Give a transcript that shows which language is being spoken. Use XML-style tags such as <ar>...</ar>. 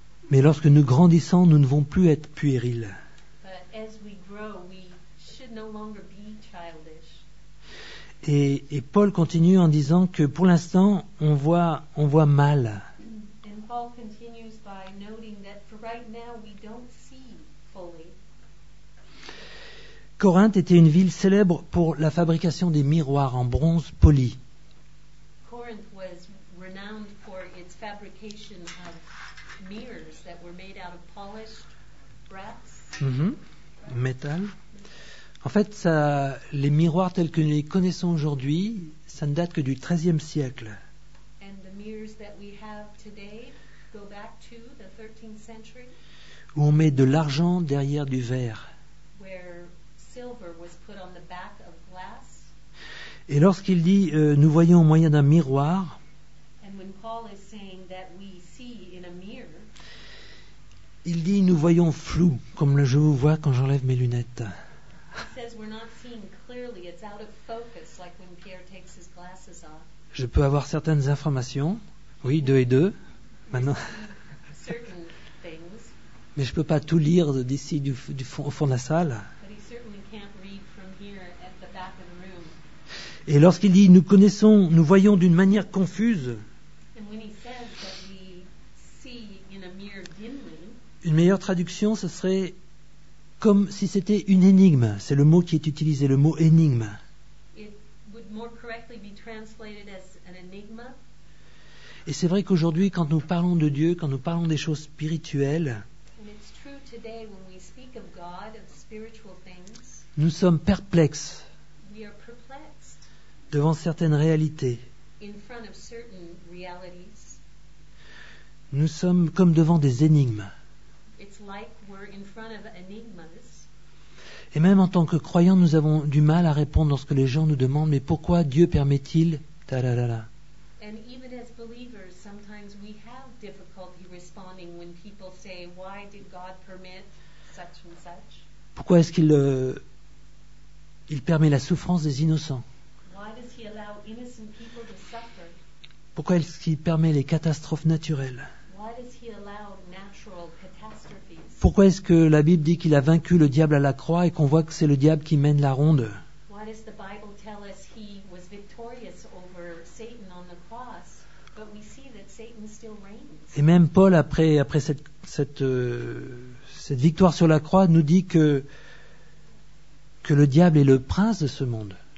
<fr>Mais lorsque nous grandissons, nous ne devons plus être puérils.</fr> <en>But as we grow, we should no longer be childish.</en> <fr>Et Paul continue en disant que pour l'instant, on voit mal.</fr> <en>And Paul continues by noting that for right now, we don't see fully.</en> <fr>Corinthe était une ville célèbre pour la fabrication des miroirs en bronze poli.</fr> <en>Corinth was renowned for its fabrication of mirrors that were made out of polished brass. Mm-hmm. Metal.</en> <fr>En fait, ça, les miroirs tels que nous les connaissons aujourd'hui, ça ne date que du XIIIe siècle.</fr> <en>And the mirrors that we have today go back to the 13th century.</en> <fr>Où on met de l'argent derrière du verre.</fr> <en>Where silver was put on the back of glass.</en> <fr>Et lorsqu'il dit nous voyons au moyen d'un miroir,</fr> <en>and when Paul is saying that we see in a mirror,</en> <fr>il dit nous voyons flou, comme je vous vois quand j'enlève mes lunettes.</fr> <en>He says we're not seeing clearly, it's out of focus, like when Pierre takes his glasses off.</en> <fr>Je peux avoir certaines informations, oui, deux et deux, maintenant.</fr> <en>Certain things.</en> <fr>Mais je ne peux pas tout lire d'ici au fond de la salle.</fr> <en>But he certainly can't read from here at the back of the room.</en> <fr>Et lorsqu'il dit nous connaissons, nous voyons d'une manière confuse,</fr> <en>and when he says that we see in a mirror dimly,</en> <fr>une meilleure traduction ce serait comme si c'était une énigme. C'est le mot qui est utilisé, le mot énigme.</fr> <en>It would more correctly be translated as an enigma.</en> <fr>Et c'est vrai qu'aujourd'hui quand nous parlons de Dieu, quand nous parlons des choses spirituelles,</fr> <en>and it's true today when we speak of God, of spiritual things,</en> <fr>nous sommes perplexes.</fr> <en>We are perplexed.</en> <fr>Devant certaines réalités.</fr> <en>In front of certain realities.</en> <fr>Nous sommes comme devant des énigmes.</fr> <en>It's like we're in front of enigmas.</en> <fr>Et même en tant que croyants, nous avons du mal à répondre lorsque les gens nous demandent, mais pourquoi Dieu permet-il ta la la la.</fr> <en>And even as believers, sometimes we have difficulty responding when people say, why did God permit such and such?</en> <fr>Pourquoi est-ce qu'il il permet la souffrance des innocents?</fr> <en>Why does he allow innocent people to suffer?</en> <fr>Pourquoi est-ce qu'il permet les catastrophes naturelles?</fr> <en>Why does he allow natural catastrophes?</en> <fr>Pourquoi est-ce que la Bible dit qu'il a vaincu le diable à la croix et qu'on voit que c'est le diable qui mène la ronde?</fr> <en>Why does the Bible tell us he was victorious over Satan on the cross, but we see that Satan still reigns?</en> <fr>Et même Paul, après cette victoire sur la croix, nous dit que le diable est le prince de ce monde.</fr>